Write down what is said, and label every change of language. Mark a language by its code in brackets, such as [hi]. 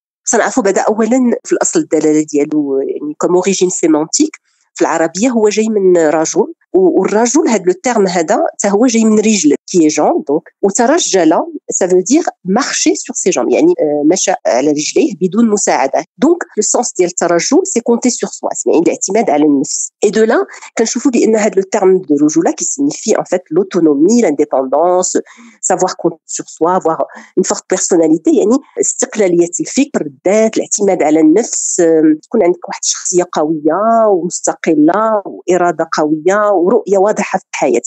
[fr] Ça n'a pas d'abord [ar] اولا في الاصل الدلاله ديالو يعني [fr] comme origine sémantique [ar] في العربيه هو جاي من رجل، والرجل هذا لو تيرم هذا حتى هو جاي من رجل [fr] qui est jambe, donc وترجل ça veut dire marcher sur ses jambes [ar] يعني مشى على رجليه بدون مساعده. [fr] Donc le sens [ar] ديال ترجل [fr] c'est compter sur soi, c'est [ar] يعني الاعتماد على النفس. [fr] Et de là [ar] كنشوفوا بان هذا لو [fr] terme de rujula qui signifie en fait l'autonomie, l'indépendance, savoir compter sur soi, avoir une forte personnalité, [ar] يعني استقلاليه الفكر الذات, الاعتماد على النفس, تكون عندك واحد الشخصيه قويه ومستقله واراده قويه ورؤيه واضحه في الحياه.